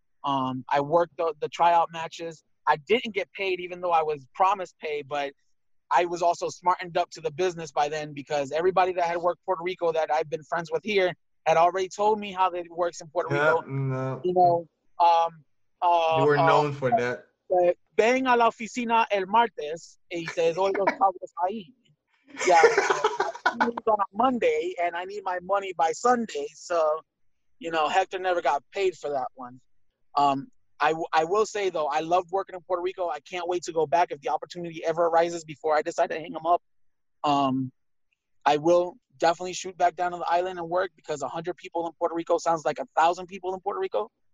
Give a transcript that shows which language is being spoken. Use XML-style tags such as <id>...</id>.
<en>I worked the tryout matches. I didn't get paid even though I was promised pay, but I was also smartened up to the business by then because everybody that had worked Puerto Rico that I've been friends with here had already told me how it works in Puerto Rico. No. You know, you were known for that.</en> <es>Ven a la oficina el martes y te doy los cables ahí.</es> <en>Yeah. On a Monday and I need my money by Sunday. So, you know, Hector never got paid for that one. I will say though, I love working in Puerto Rico. I can't wait to go back if the opportunity ever arises before I decide to hang them up. I will definitely shoot back down to the island and work because 100 people in Puerto Rico sounds like 1,000 people in Puerto Rico.</en>